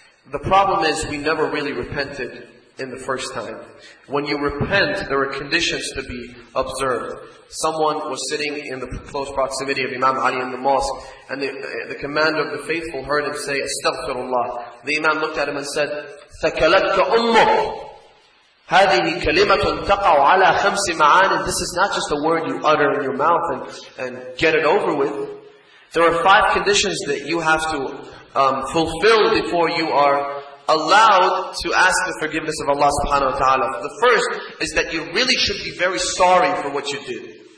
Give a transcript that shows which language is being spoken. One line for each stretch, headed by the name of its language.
English: The problem is we never really repented in the first time. When you repent, there are conditions to be observed. Someone was sitting in the close proximity of Imam Ali in the mosque, and the commander of the faithful heard him say, Astaghfirullah. The Imam looked at him and said,
Arabic: Thakalatka ummuk. هذه كلمة تقع على خمس معان.
English: This is not just a word you utter in your mouth and get it over with. There are five conditions that you have to fulfill before you are allowed to ask the forgiveness of Allah subhanahu wa ta'ala. The first is that you really should be very sorry for what you did.